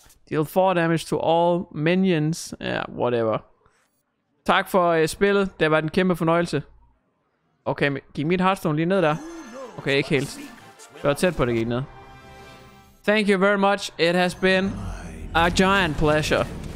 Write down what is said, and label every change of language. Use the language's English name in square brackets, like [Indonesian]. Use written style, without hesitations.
[English] Deal 4 damage to all minions. [Danish] Ja, [English] yeah, whatever. [Danish] Tak for spillet. Det var en kæmpe fornøjelse. Okay, giv mit Hearthstone lige ned der. Okay, ikke helt. Det var tæt på, det gik ned. [English] Thank you very much. It has been a giant pleasure.